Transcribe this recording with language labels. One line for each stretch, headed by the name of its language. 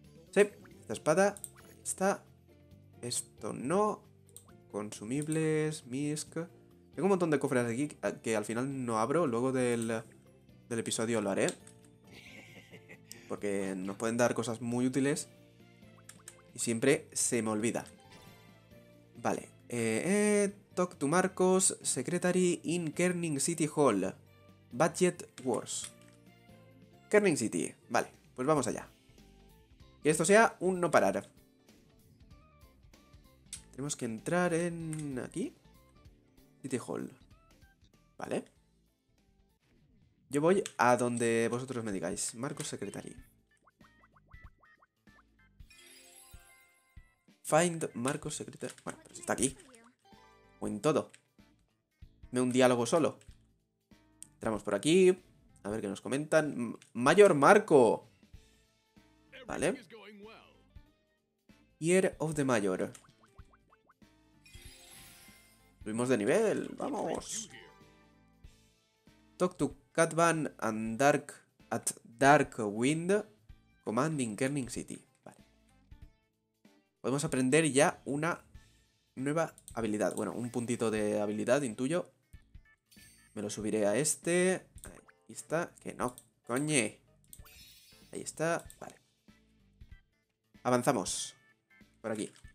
Spanish: Sí, esta espada, está. Esto no, consumibles, misc. Tengo un montón de cofres aquí que al final no abro, luego del... Del episodio lo haré. Porque nos pueden dar cosas muy útiles. Y siempre se me olvida. Vale.
English: Talk to Marcos, Secretary in Kerning City Hall.
Spanish: Budget Wars. Kerning City. Vale. Pues vamos allá. Que esto sea un no parar. Tenemos que entrar en... Aquí. City Hall. Vale. Yo voy a donde vosotros me digáis.
English: Marcos Secretary. Find Marcos Secretary.
Spanish: Bueno, pero está aquí. O en todo. Me un diálogo solo. Entramos por aquí. A ver qué nos comentan. ¡Mayor Marco! Vale.
English: Year of the Mayor.
Spanish: Subimos de nivel. ¡Vamos!
English: Talk to Catvan and Dark at Dark Wind Commanding Kerning City.
Spanish: Vale. Podemos aprender ya una nueva habilidad. Bueno, un puntito de habilidad, intuyo. Me lo subiré a este. Ahí está. Que no, coñe. Ahí está. Vale. Avanzamos. Por aquí.